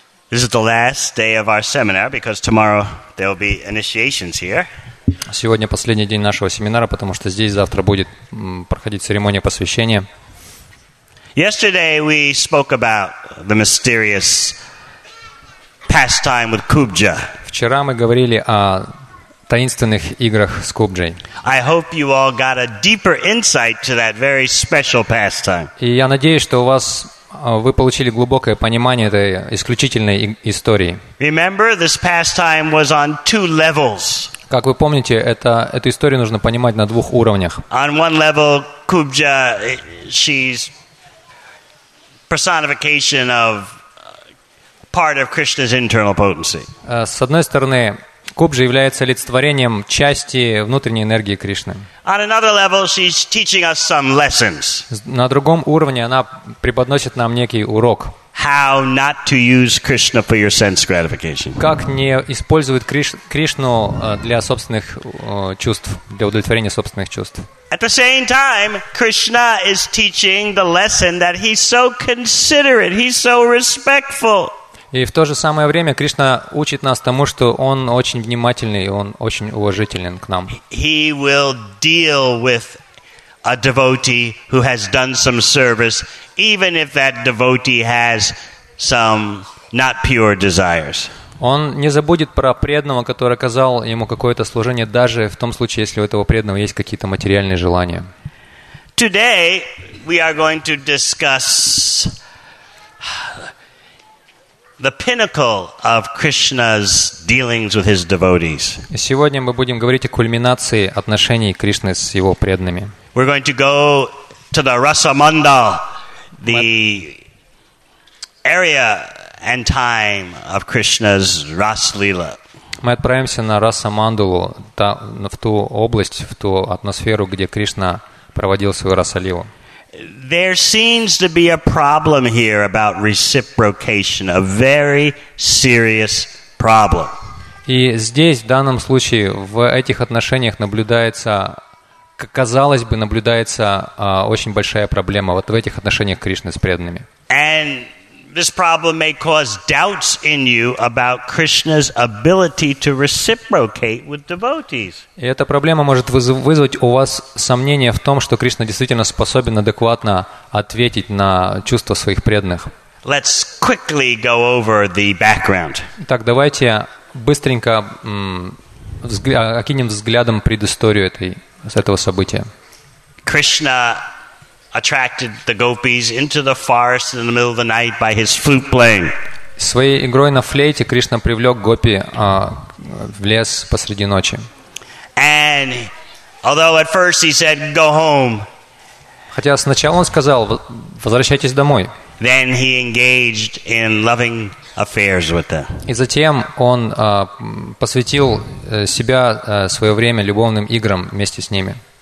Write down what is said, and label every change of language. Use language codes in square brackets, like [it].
[en] This is the last day of our seminar because tomorrow there will be initiations here. [ru] Сегодня последний день нашего семинара, потому что здесь завтра будет проходить церемония посвящения. [en] Yesterday we spoke about the mysterious pastime with Kubja. [ru] Вчера мы говорили о таинственных играх с Кубджей. [en] I hope you all got a deeper insight to that very special pastime. [ru] И я надеюсь, что у вас вы получили глубокое понимание этой исключительной истории. [en] Remember, this pastime was on two levels. [ru] Как вы помните, эту историю нужно понимать на двух уровнях. [en] On one level, Kubja, she's personification of part of Krishna's internal potency. [ru] С одной стороны, Кубджа является олицетворением части внутренней энергии Кришны. [en] On another level, she's teaching us some lessons. [ru] На другом уровне она преподносит нам некий урок. [en] How not to use Krishna for your sense gratification. [ru] Как не использовать Кришну для собственных чувств, для удовлетворения собственных чувств. [en] At the same time, Krishna is teaching the lesson that he's so considerate, he's so respectful. [ru] И в то же самое время Кришна учит нас тому, что Он очень внимательный и Он очень уважителен к нам. [en] He will deal with a devotee who has done some service, even if that devotee has some not pure desires. [ru] Он не забудет про преданного, который оказал ему какое-то служение, даже в том случае, если у этого преданного есть какие-то материальные желания. [en] Today we are going to discuss the pinnacle of Krishna's dealings with his devotees. [ru] Сегодня мы будем говорить о кульминации отношений Кришны с его преданными. [en] We're going to go to the Rasamandal, the area and time of Krishna's Rasa-lila. [ru] Мы отправимся на Расамандалу, в ту область, в ту атмосферу, где Кришна проводил свою Расалилу. [en] There seems to be a problem here about reciprocation, a very serious problem. [ru] И здесь, в данном случае, в этих отношениях наблюдается, казалось бы, наблюдается очень большая проблема вот в этих отношениях Кришны с преданными. [en] And this problem may cause doubts in you about Krishna's ability to reciprocate with devotees. [ru] И эта проблема может вызвать у вас сомнения в том, что Кришна действительно способен адекватно ответить на чувства своих преданных. [en] Let's quickly go over the background. [ru] Так, давайте быстренько окинем взглядом предысторию этого события. [en] Krishna attracted the gopis into the forest in the middle of the night by his flute playing. [ru] Своей игрой на флейте Кришна привлёк гопи в лес посреди ночи. [en] And although at first he said go home. [ru] Хотя сначала он сказал возвращайтесь домой. [en] Then he engaged in loving affairs with them. [ru] И затем он посвятил себя своё время любовным играм вместе с ними.